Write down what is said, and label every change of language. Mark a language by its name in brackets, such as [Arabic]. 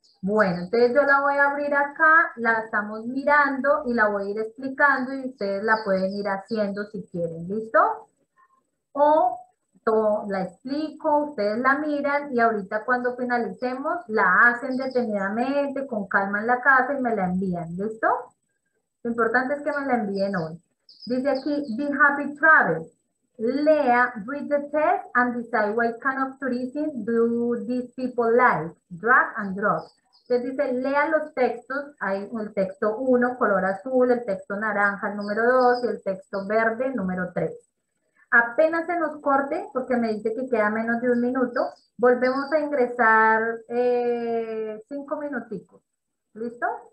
[Spanish] Bueno, entonces yo la voy a abrir acá, la estamos mirando y la voy a ir explicando, y ustedes la pueden ir haciendo si quieren. ¿Listo? O todo, la explico, ustedes la miran y ahorita cuando finalicemos la hacen detenidamente, con calma en la casa, y me la envían. ¿Listo? Lo importante es que me la envíen hoy. Dice aquí, Be Happy Travel. [English] Lea, read the text and decide what kind of tourism do these people like, drag and drop. [Spanish] Usted dice, lea los textos, hay el texto 1, color azul, el texto naranja, el número 2, y el texto verde, número 3. Apenas se nos corte, porque me dice que queda menos de un minuto, volvemos a ingresar 5 minuticos, ¿listo?